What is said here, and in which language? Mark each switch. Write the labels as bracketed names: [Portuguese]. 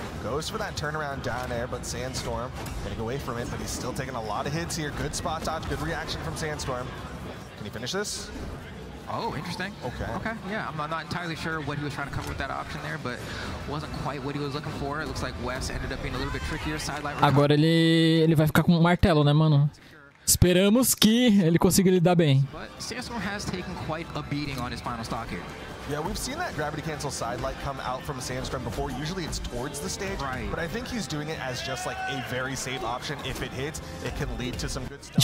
[English] Goes for that turnaround down air, but Sandstorm getting away from it, but he's still taking a lot of hits here. Good spot dodge, good reaction from Sandstorm. Can he finish this? Oh, interesting. Okay. Yeah, I'm not entirely sure what he was trying to cover with that option there, but wasn't quite what he was looking for. It looks like Wes ended up being a little bit trickier. Sideline. [Portuguese] Agora ele vai ficar com um martelo, né, mano? Esperamos que ele consiga lidar bem. [English] But Sandstorm has taken quite a beating on his final stock here. Yeah, we've seen that gravity cancel sidelight come out from Sandstorm before. Usually it's towards the stage. Right. But I think he's doing it as just like a very safe option. If it hits, it can lead to some good stuff.